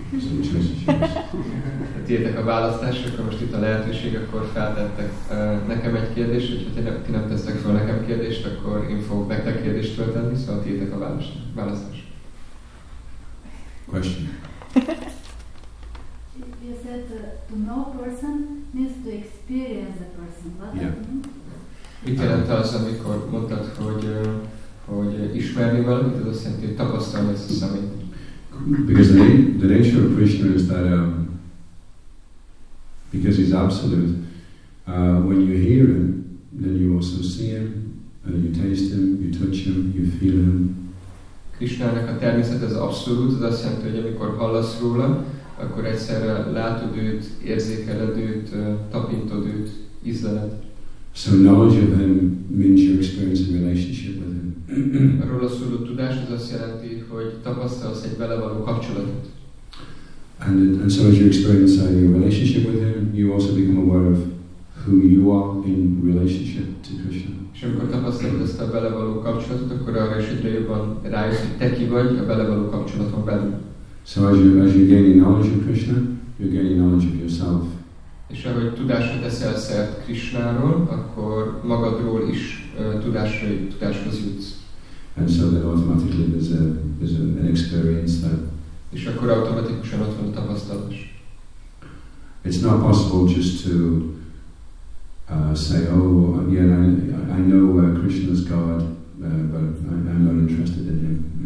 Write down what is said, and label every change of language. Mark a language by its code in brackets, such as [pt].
[en] So the choice is yours. [hu] Ha tiétek a választás, akkor most itt a lehetőség, akkor feltettek nekem egy kérdést, hogyha ti nem tesztek fel nekem kérdést, akkor én fogok nektek kérdést föltenni, szóval tiétek a választás. [en] Question. You said to know person means to experience the person. [hu] Mit jelent az, amikor mondtad, hogy ismerni valamit, az azt jelenti, hogy tapasztalni ezt a személyt? [en] Because the nature of Krishna is that because he's absolute, when you hear him, then you also see him, and you taste him, you touch him, you feel him. [hu] Krisnának a természet az abszolút, az azt jelenti, hogy amikor hallasz róla, akkor egyszerre látod őt, érzékeled őt, tapintod őt, ízleled. [en] So knowledge of him means your experience and relationship with him. [hu] Róla szóló tudás az azt jelenti, hogy tapasztalsz egy vele való kapcsolatot. [en] And so as you experience your relationship with him, you also become aware of who you are in relationship to Krishna. [hu] És amikor tapasztalod ezt a vele való kapcsolatot, akkor arra is egyre jobban rájössz, hogy te ki vagy a vele való kapcsolaton belül. [en] So as you're gaining knowledge of Krishna, you're gaining knowledge of yourself. [hu] És ahogy tudásra teszel szert Krishnáról, akkor magadról is tudáshoz jutsz. [en] And so then automatically there's an experience that... [hu] És akkor automatikusan ott van a tapasztalás. [en] It's not possible just to say, oh, yeah, I know Krishna's God, but I'm not interested in him.